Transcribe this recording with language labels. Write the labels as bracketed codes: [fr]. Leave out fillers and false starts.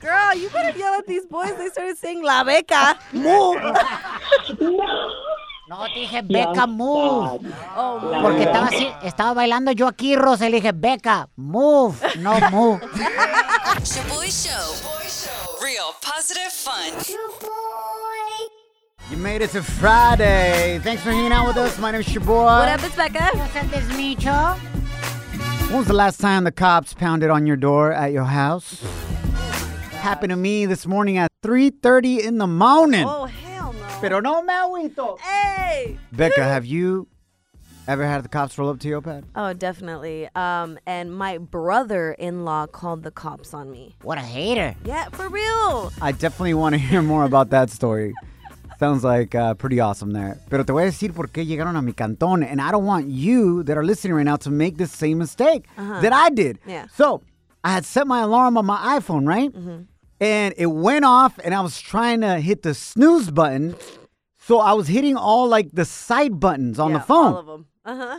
[en] Girl, you better yell at these boys. They started singing La Beca. Move. No. No, [es] No, dije Becca, move. Porque estaba así, estaba bailando yo aquí, Rosa, y le dije, Becca, move, no move. [en] Shaboy Show. Real positive fun. You made it to Friday. Thanks for hanging out with us. My name is Shaboy. What up, it's Becca. What's up, Micho? When was the last time the cops pounded on your door at your house? Happened to me this morning at 3:30 in the morning. Oh, hell no. [es] Pero no me agüito. [en] Hey! Becca, have you ever had the cops roll up to your pad? Oh, definitely. And my brother-in-law called the cops on me. What a hater. Yeah, for real. I definitely want to hear more about that story. Sounds like pretty awesome there. [es] Pero te voy a decir por qué llegaron a mi cantón. [en] And I don't want you that are listening right now to make the same mistake that I did. Yeah. So I had set my alarm on my iPhone, right? Mm-hmm. And it went off and I was trying to hit the snooze button. So I was hitting all like the side buttons on the phone. All of them. Uh-huh.